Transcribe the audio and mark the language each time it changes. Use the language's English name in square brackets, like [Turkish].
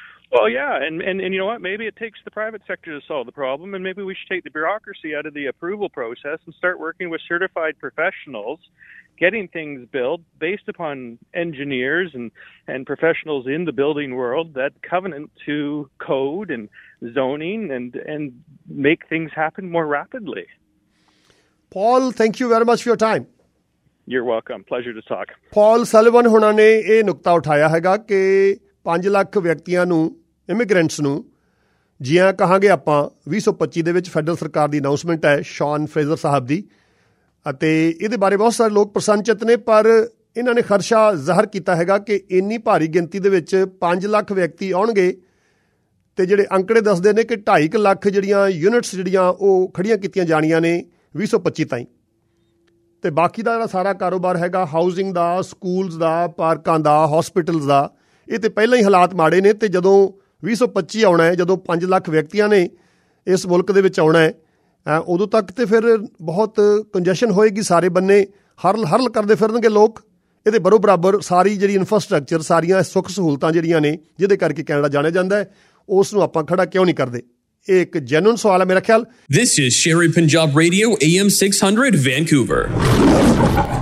[English] Well, yeah, and you know what? Maybe it takes the private sector to solve the problem, and maybe we should take the bureaucracy out of the approval process and start working with certified professionals, getting things built based upon engineers and professionals in the building world that covenant to code and zoning and make things happen more rapidly. Paul, thank you very much for your time. You're welcome. Pleasure to talk. [Punjabi] Paul Sullivan ਹੁਣਾਂ ਨੇ ਇਹ ਨੁਕਤਾ ਉਠਾਇਆ ਹੈਗਾ ਕਿ 5 ਲੱਖ ਵਿਅਕਤੀਆਂ ਨੂੰ immigrants ਨੂੰ ਜਿਵੇਂ ਕਹਾਂਗੇ ਆਪਾਂ 2025 ਦੇ ਵਿੱਚ ਫੈਡਰਲ ਸਰਕਾਰ ਦੀ ਅਨਾਊਂਸਮੈਂਟ ਹੈ ਸ਼ੌਨ ਫਰੇਜ਼ਰ ਸਾਹਿਬ ਦੀ ਅਤੇ ਇਹਦੇ ਬਾਰੇ ਬਹੁਤ ਸਾਰੇ ਲੋਕ ਪ੍ਰਸੰਨਚਿਤ ਨੇ ਪਰ ਇਹਨਾਂ ਨੇ ਖਰਸ਼ਾ ਜ਼ਾਹਰ ਕੀਤਾ ਹੈਗਾ ਕਿ ਇੰਨੀ ਭਾਰੀ ਗਿਣਤੀ ਦੇ ਵਿੱਚ 5 ਲੱਖ ਵਿਅਕਤੀ ਆਉਣਗੇ ਅਤੇ ਜਿਹੜੇ ਅੰਕੜੇ ਦੱਸਦੇ ਨੇ ਕਿ 2.5 ਲੱਖ ਜਿਹੜੀਆਂ ਯੂਨਿਟਸ ਜਿਹੜੀਆਂ ਉਹ ਖੜੀਆਂ ਕੀਤੀਆਂ ਜਾਣੀਆਂ ਨੇ 2025 ਤਾਈਂ ਅਤੇ ਬਾਕੀ ਦਾ ਜਿਹੜਾ ਸਾਰਾ ਕਾਰੋਬਾਰ ਹੈਗਾ ਹਾਊਸਿੰਗ ਦਾ, ਸਕੂਲਸ ਦਾ, ਪਾਰਕਾਂ ਦਾ, ਹੋਸਪਿਟਲਸ ਦਾ, ਇਹ ਤਾਂ ਪਹਿਲਾਂ ਹੀ ਹਾਲਾਤ ਮਾੜੇ ਨੇ ਅਤੇ ਜਦੋਂ 2025 ਆਉਣਾ ਹੈ, ਜਦੋਂ 5 ਲੱਖ ਵਿਅਕਤੀਆਂ ਨੇ ਇਸ ਮੁਲਕ ਦੇ ਵਿੱਚ ਆਉਣਾ ਹੈ, ਉਦੋਂ ਤੱਕ ਤਾਂ ਫਿਰ ਬਹੁਤ ਕੰਜੈਸ਼ਨ ਹੋਏਗੀ, ਸਾਰੇ ਬੰਨੇ ਹਰਲ ਕਰਦੇ ਫਿਰਨਗੇ ਲੋਕ, ਇਹਦੇ ਬਰੋ ਬਰਾਬਰ ਸਾਰੀ ਜਿਹੜੀ ਇਨਫਰਾਸਟ੍ਰਕਚਰ, ਸਾਰੀਆਂ ਸੁੱਖ ਸਹੂਲਤਾਂ ਜਿਹੜੀਆਂ ਨੇ ਜਿਹਦੇ ਕਰਕੇ ਕੈਨੇਡਾ ਜਾਣਿਆ ਜਾਂਦਾ, ਉਸ ਨੂੰ ਆਪਾਂ ਖੜਾ ਕਿਉਂ ਨਹੀਂ ਕਰਦੇ? ਇਹ ਇੱਕ ਜੈਨੂਇਨ ਸਵਾਲ ਹੈ ਮੇਰਾ ਖਿਆਲ। [English] This is Sherry Punjab Radio AM 600 Vancouver.